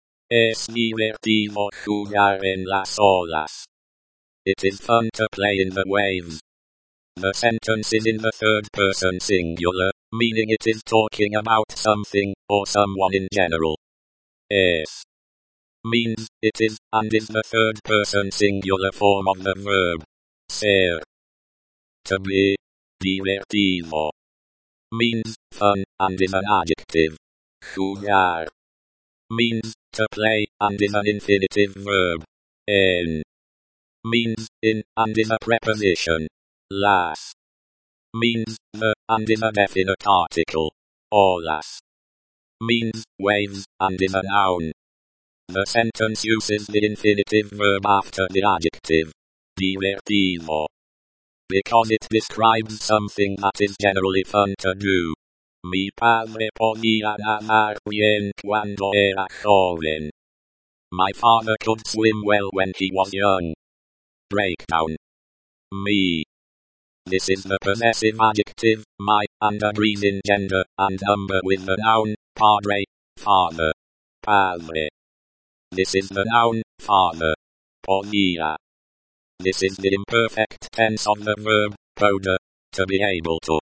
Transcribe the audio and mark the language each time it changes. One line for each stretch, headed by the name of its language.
Spanish: Es divertido jugar en las olas.
English: It is fun to play in the waves. The sentence is in the third person singular, meaning it is talking about something, or someone in general. Es. Means, it is, and is the third person singular form of the verb. Ser. To be. Divertido. Means, fun, and is an adjective. Jugar. Means, to play, and is an infinitive verb. En. Means, in, and is a preposition. Las. Means, the, and is a definite article. Olas. Means, waves, and is a noun. The sentence uses the infinitive verb after the adjective. Divertido. Because it describes something that is generally fun to do.
Spanish: Mi padre podía nadar bien cuando era joven.
English: My father could swim well when he was young. Breakdown. Me. This is the possessive adjective, my, and agrees in gender and number with the noun, padre, father. Padre. This is the noun, father. Podía. This is the imperfect tense of the verb, poder, to be able to.